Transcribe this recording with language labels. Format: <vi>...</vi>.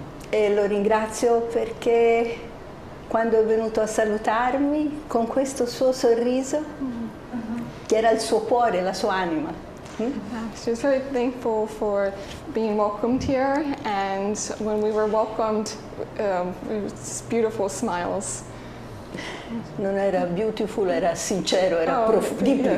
<it>E lo ringrazio perché quando è venuto a salutarmi con questo suo sorriso, che era il suo cuore, la sua anima.</it> <en>She's very thankful for being welcomed here, and when we were welcomed, it's beautiful smiles.</en> <it>Non era beautiful, era sincero, era profondo.</it>